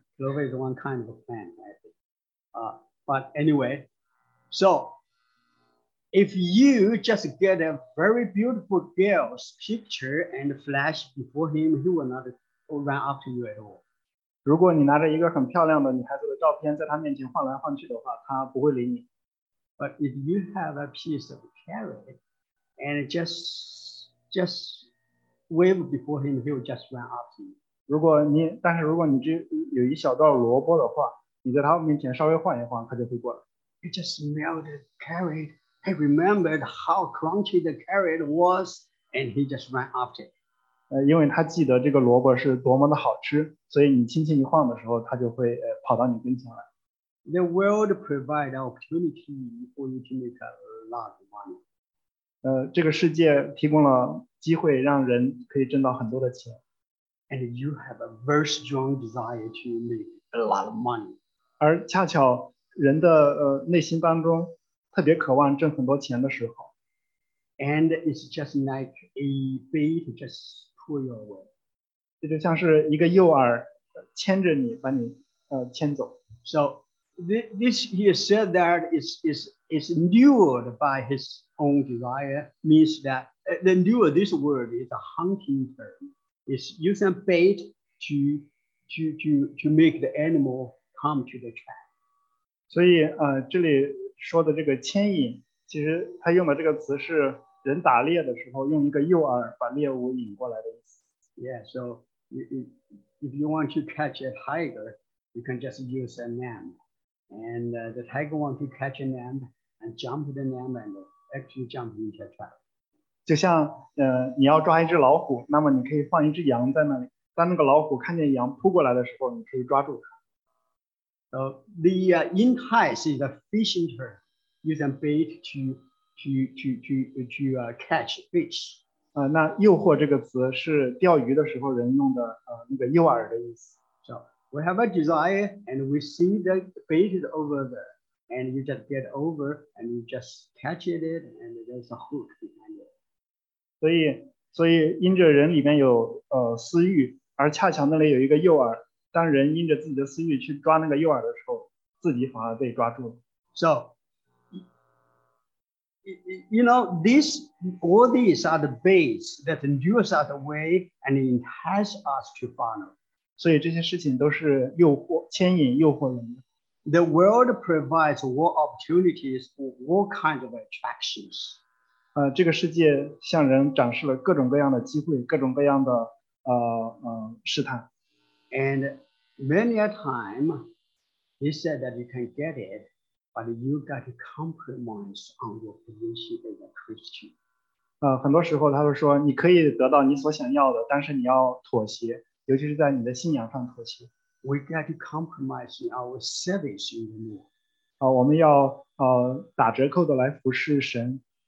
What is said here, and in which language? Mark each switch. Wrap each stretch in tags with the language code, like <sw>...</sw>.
<en>Clover is one kind of a plant, I think. But anyway, so. If you just get a very beautiful girl's picture and flash before him, he will not run after you at all.</en> <zh>如果你拿着一个很漂亮的女孩子的照片在他面前晃来晃去的话，他不会理你。</zh> <en>But if you have a piece of carrot and just wave before him, he will just run after you.</en> <zh>但是如果你只有一小段萝卜的话，你在他面前稍微晃一晃，他就会过来。</zh> <en>He just smelled the carrot. He remembered how crunchy the carrot was, and he just ran after it.</en> <zh>因为他记得这个萝卜是多么的好吃，所以你轻轻一晃的时候，他就会跑到你跟前来。</zh> <en>The world provides opportunity for you to make a lot of money.</en> <zh>这个世界提供了机会，让人可以挣到很多的钱。</zh> <en>And you have a very strong desire to make a lot of money.</en> <zh>而恰巧人的内心当中。特别渴望挣很多钱的时候</zh> <en>，and it's just like a bait just pull you away.</en> <zh>这就像是一个诱饵，牵着你，把你牵走。</zh> <en>So this he said that is lured by his own desire means that the lure this word is a hunting term. It's using bait to make the animal come to the trap.</en> <zh>所以这里。说的这个牵引，其实他用的这个词是人打猎的时候用一个诱饵把猎物引过来的意思。</zh> <en>Yeah, so if you want to catch a tiger, you can just use a net. And the tiger wants to catch a net and jump the net and actually jump into a trap.</en> <zh>就像你要抓一只老虎，那么你可以放一只羊在那里，当那个老虎看见羊扑过来的时候，你可以抓住它。</zh> <en>The entice is a fishing term, using bait to catch fish.</en> <zh>那诱惑这个词是钓鱼的时候人用的那个诱饵的意思。</zh> <en>So we have a desire and we see the bait is over there, and you just get over and you just catch it, and there's a hook behind it.</en> <zh>所以因着人里面有私欲，而恰巧那里有一个诱饵。当人因着自己的私欲去抓那个诱饵的时候，自己反而被抓住了。</zh> <en>So, you know, these all these are the baits that lures us away and entice us to follow.</en> <zh>所以这些事情都是诱惑、牵引、诱惑人的。</zh> <en>The world provides all opportunities for all kinds of attractions.</en> <zh>这个世界向人展示了各种各样的机会，各种各样的试探。</zh> <en>And many a time, he said that you can get it, but you got to compromise on your position as a Christian.</en> <zh>很多时候他会说，你可以得到你所想要的，但是你要妥协，尤其是在你的信仰上妥协。</zh> <en>We got to compromise in our service in the Lord.</en> <zh>我们要打折扣的来服侍神。</zh>